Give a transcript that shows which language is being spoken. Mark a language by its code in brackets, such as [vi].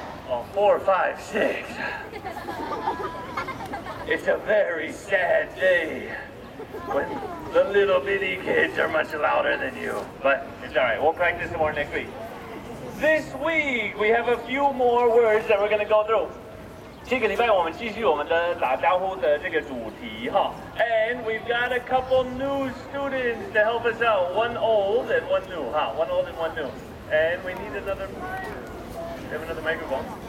[en] Oh, 4, 5, 6. It's a very sad day when the little bitty kids are much louder than you. But it's all right, we'll practice some more next week. This week, we have a few more words that we're going to go through. [zh] 这个礼拜我们继续我们的打招呼的这个主题, huh? [en] And we've got a couple new students to help us out. One old and one new, huh? One old and one new. And we need another... Do we have another microphone?